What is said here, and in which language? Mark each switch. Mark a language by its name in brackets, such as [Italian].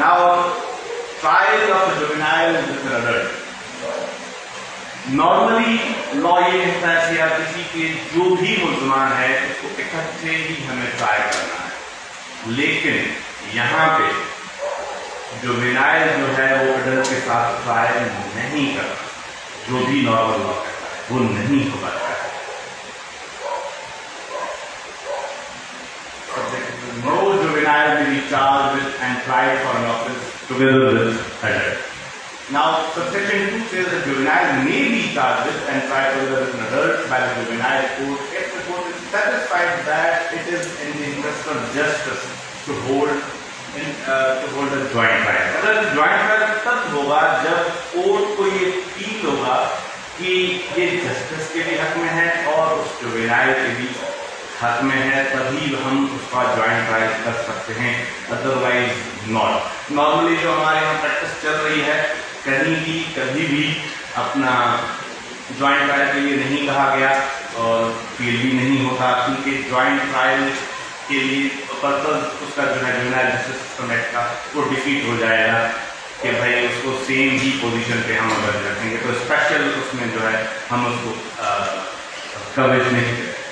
[English] now trial of a juvenile with an adult, [Hindi] normally law ये कहता है या किसी के जो भी मुल्जमान है उसको इकट्ठे ही हमें ट्रायल करना है, लेकिन यहां पे जुवेनाइल जो है वो अडल्ट के साथ ट्रायल नहीं करता, जो भी नॉर्मल लॉ है वो नहीं हो पाता है। [English] No juvenile will be charged with and trial for an offence together with adult. Now, subsection 2 says that juvenile may be charged and tried together with an adult by the juvenile court if the court is satisfied that it is in the interest of justice to hold a joint trial. [Hindi] अगर joint trial तब होगा जब court को ये feel होगा कि ये justice के भी हक में है और उस juvenile के भी हक में है, तभी हम उसका ज्वाइंट ट्रायल कर सकते हैं, [English] Otherwise not. [Hindi] नॉर्मली जो हमारे यहाँ प्रैक्टिस चल रही है कहीं भी कभी भी अपना ज्वाइंट ट्रायल के लिए नहीं कहा गया और फील भी नहीं होता, क्योंकि ज्वाइंट ट्रायल के लिए पर्पज उसका जो है जुवेनाइल जस्टिस सिस्टम एक्ट का वो डिफीट हो जाएगा कि भाई उसको सेम ही पोजिशन पर हम अगर रखेंगे तो स्पेशल उसमें जो है हम उसको कवरेज नहीं करेंगे।